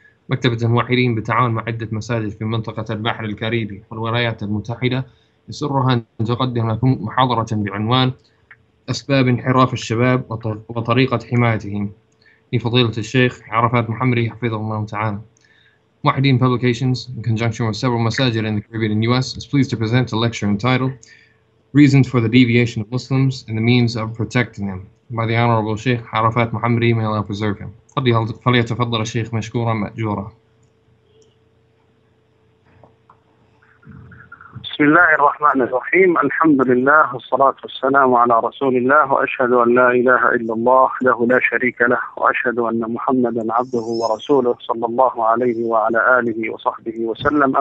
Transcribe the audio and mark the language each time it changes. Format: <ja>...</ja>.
<ar>مكتبة الموحدين بالتعاون مع عدة مساجد في منطقة البحر الكاريبي والولايات المتحدة يسرها أن تقدم لكم محاضرة بعنوان أسباب انحراف الشباب وطريقة حمايتهم لفضيلة الشيخ عرفات محمري حفظه الله تعالى.</ar> <en>موحدين Publications in conjunction with several مساجد in the Caribbean and US is pleased to present a lecture entitled Reasons for the deviation of Muslims and the means of protecting them by the Honorable Sheikh Arafat Muhammadi, may Allah preserve him.</en> <ar>فليتفضل الشيخ مشكورا مأجورا. بسم الله الرحمن الرحيم، الحمد لله والصلاة والسلام على رسول الله، وأشهد أن لا إله إلا الله له لا شريك له، وأشهد أن محمدا عبده ورسوله صلى الله عليه وعلى آله وصحبه وسلم.</ar>